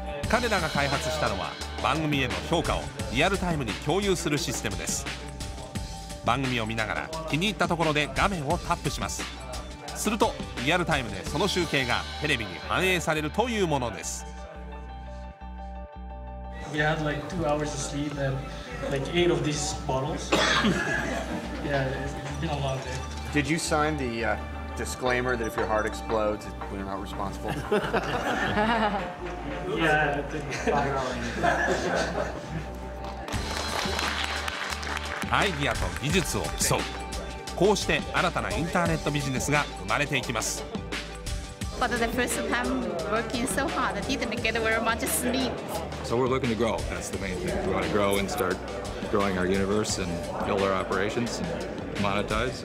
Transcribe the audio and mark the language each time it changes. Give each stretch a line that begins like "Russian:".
Japanese: 彼らが開発したのは、番組への評価をリアルタイムに共有するシステムです。番組を見ながら気に入ったところで画面をタップします。するとリアルタイムでその集計がテレビに反映されるというものです。
English: We had like 2 hours of sleep and like 8 of these bottles. Yeah, it's been a long day. Did you sign the disclaimer that if your heart explodes, we're not responsible? Yeah,
Japanese: アイディアと技術を競う。こうして新たなインターネットビジネスが生まれていきます。
English: But the first time working so hard, I didn't get very much sleep. So we're looking to grow. That's the main thing. We want to grow and start growing our universe and build our operations and monetize.